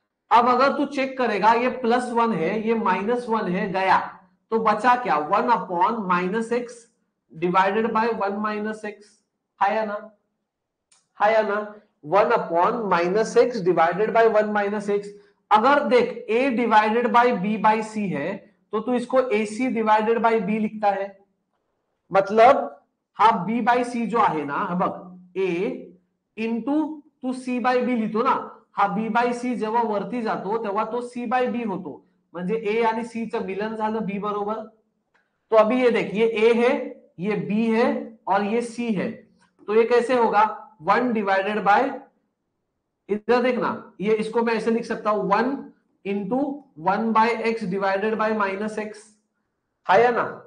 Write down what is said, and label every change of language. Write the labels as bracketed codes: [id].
[hi] अब अगर तू चेक करेगा, ये +1 है, ये -1 है, गया, तो बचा क्या, 1 upon - x divided by 1 - x, आया ना? आया ना? 1 upon - x divided by 1 - x। अगर देख, a divided by b bye c है, तो तू इसको ac डिवाइडेड बाय b लिखता है, मतलब हाँ, b बाय c जो है ना, अब a इंटू तू सी बाय बी लिखो ना, [mr] हा बी बाय सी जेव्हा वरती जातो तेव्हा तो सी बाय बी होतो, म्हणजे ए आणि सी चं मिलन झालं बी बरोबर। [hi] तो अभी ये देख, ये ए है, ये बी है और ये सी है, तो ये कैसे होगा, 1 डिवाइडेड बाय, इधर देखना, ये इसको मैं ऐसे लिख सकता हूं, 1 × 1/x / -x, आया ना?